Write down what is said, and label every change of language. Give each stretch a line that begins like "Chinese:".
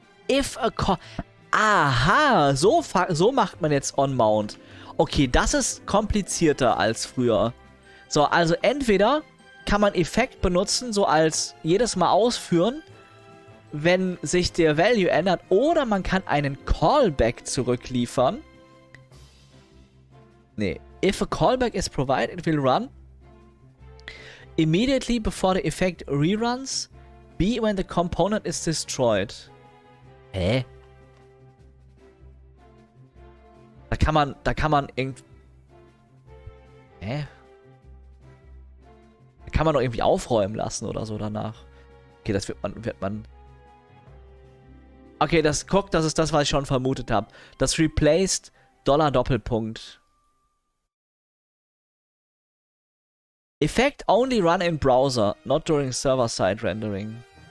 German: If a co Aha, so macht man jetzt on mount. Okay, das ist komplizierter als früher. So, also entweder kann man Effekt benutzen, so als jedes Mal ausführen, wenn sich der Value ändert, oder man kann einen Callback zurückliefern.
English: Nee, if a callback is provided, it will run immediately before the effect reruns, be when the component is destroyed.
German: Hä? Da kann man irgendwie. Hä? Da kann man doch irgendwie aufräumen lassen oder so danach. Okay, das wird man. Okay, das ist das, was ich schon vermutet habe. Das replaced Dollar Doppelpunkt.
English: Effect only run in browser, not during server-side rendering.